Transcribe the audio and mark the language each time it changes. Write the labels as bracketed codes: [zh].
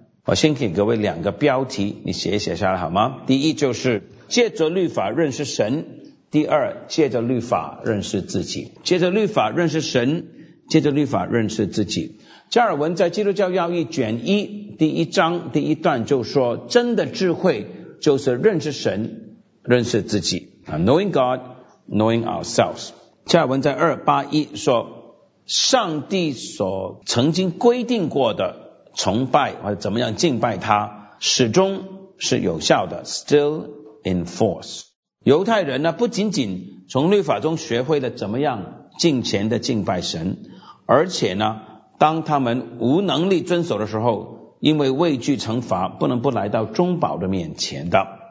[zh] 我先给各位两个标题，你写一写下来好吗？第一就是借着律法认识神，第二借着律法认识自己。借着律法认识神，借着律法认识自己。加尔文在基督教要义卷一第一章第一段就说，真的智慧就是认识神，认识自己。 [en] Knowing God, knowing ourselves. [zh] 加尔文在281说，上帝所曾经规定过的崇拜或者怎么样敬拜他，始终是有效的， [en] still in force. [zh] 犹太人呢，不仅仅从律法中学会了怎么样敬虔的敬拜神，而且呢，当他们无能力遵守的时候，因为畏惧惩罚，不能不来到中保的面前的。